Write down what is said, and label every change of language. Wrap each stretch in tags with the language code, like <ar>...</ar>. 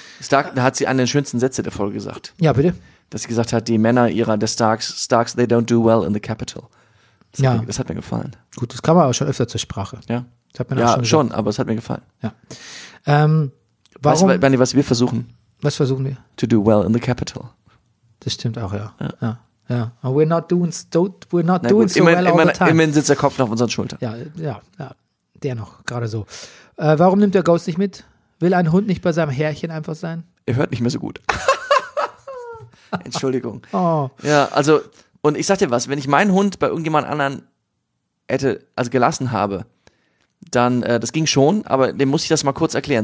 <de>Da hat sie einen der schönsten Sätze der Folge gesagt. Ja, bitte. Dass sie gesagt hat, die Männer ihrer der Starks,</de> <en>they don't do well in the capital.</en> <de>Das hat mir gefallen. Gut, das kam aber schon öfter zur Sprache. Ja. Das hat mir schon, aber es hat mir gefallen. Ja. Warum, weißt du, Bernie, was wir versuchen? Was versuchen wir?</de> <en>To do well in the capital.</en> <de>Das stimmt auch, ja. Ja.</de> <en>But we're not doing so well all the time.</en> <de>Immerhin sitzt der Kopf noch auf unseren Schultern. Ja. Der noch, gerade so. Warum nimmt der Ghost nicht mit? Will ein Hund nicht bei seinem Herrchen einfach sein? Er hört nicht mehr so gut. Entschuldigung. Oh. Ja, also, und ich sag dir was, wenn ich meinen Hund bei irgendjemand anderen hätte, also gelassen habe, dann, das ging schon, aber dem muss ich das mal kurz erklären.</de>